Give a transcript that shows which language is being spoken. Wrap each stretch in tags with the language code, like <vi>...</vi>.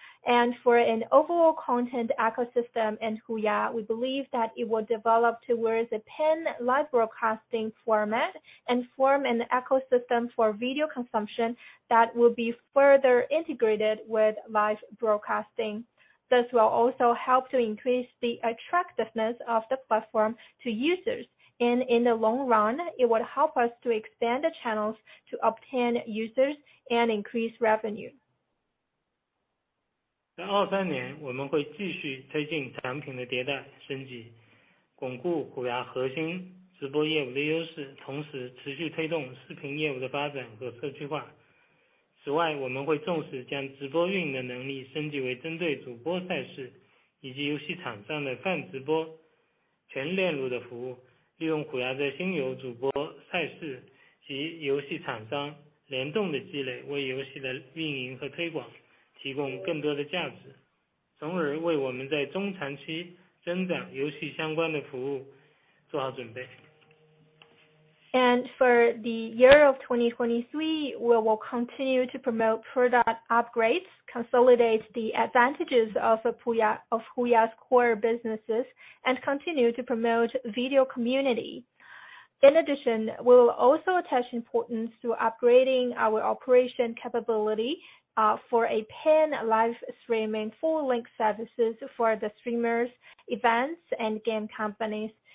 <en>And for an overall content ecosystem in HUYA, we believe that it will develop towards a pan live broadcasting format and form an ecosystem for video consumption that will be further integrated with live broadcasting. This will also help to increase the attractiveness of the platform to users. And in the long run, it will help us to expand the channels to obtain users and increase revenue.</en> <zh>在23年，我们会继续推进产品的迭代升级，巩固虎牙核心直播业务的优势，同时持续推动视频业务的发展和社区化。此外，我们会重视将直播运营的能力升级为针对主播赛事以及游戏场上的泛直播全链路的服务，利用虎牙的新游主播赛事及游戏厂商联动的积累，为游戏的运营和推广提供更多的价值，从而为我们在中长期增长游戏相关的服务做好准备。</zh> <en>And for the year of 2023, we will continue to promote product upgrades, consolidate the advantages of HUYA's core businesses, and continue to promote video community. In addition, we will also attach importance to upgrading our operation capability for a pan live streaming full-length services for the streamers, events, and game companies.</en>